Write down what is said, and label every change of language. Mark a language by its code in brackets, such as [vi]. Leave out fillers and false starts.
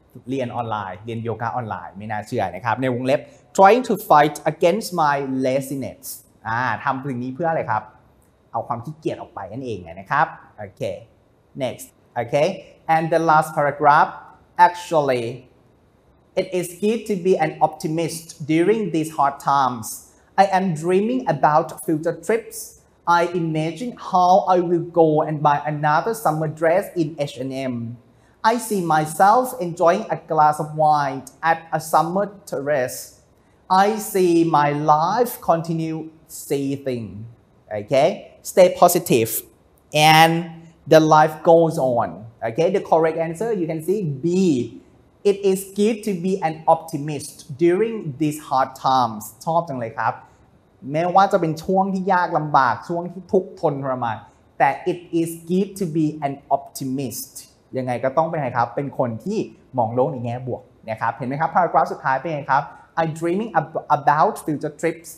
[th] เรียนออนไลน์เรียนโยคะออนไลน์ไม่น่าเชื่อนะครับในวงเล็บ [en] trying to fight against my laziness [th] ทำสิ่งนี้เพื่ออะไรครับเอาความขี้เกียจออกไปนั่นเองนะครับโอเค [en] next okay and the last paragraph actuallyIt is good to be an optimist during these hard times. I am dreaming about future trips. I imagine how I will go and buy another summer dress in H&M. I see myself enjoying a glass of wine at a summer terrace. I see my life continue seething. Okay, stay positive and the life goes on. Okay, the correct answer you can see B. It is good to be an optimist during these hard times. [th] ชอบจังเลยครับแม้ว่าจะเป็นช่วงที่ยากลำบากช่วงที่ทุกข์ทนทรมานแต่ [en] it is good to be an optimist. [th] ยังไงก็ต้องเป็นไงครับเป็นคนที่มองโลกในแง่บวกนะครับเห็นไหมครับ paragraph สุดท้ายเป็นไงครับ [en] I dreaming about future trips.